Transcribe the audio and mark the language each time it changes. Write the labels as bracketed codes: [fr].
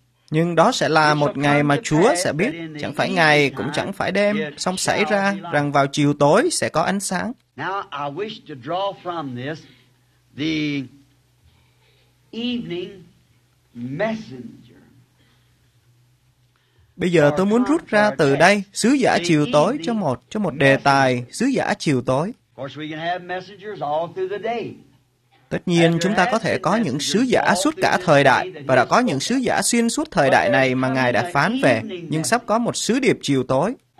[vi] Nhưng đó sẽ là một ngày mà Chúa sẽ biết, chẳng phải ngày, cũng chẳng phải đêm, song xảy ra rằng vào chiều tối sẽ có ánh sáng. [en] Now, I wish to draw from this the evening messenger. [vi] Bây giờ tôi muốn rút ra từ đây sứ giả chiều tối cho một đề tài sứ giả chiều tối. [en] Of course, we can have messengers all through the day. [vi] Tất nhiên, chúng ta có thể có những sứ giả suốt cả thời đại, và đã có những sứ giả xuyên suốt thời đại này mà Ngài đã phán về, nhưng sắp có một sứ điệp chiều tối.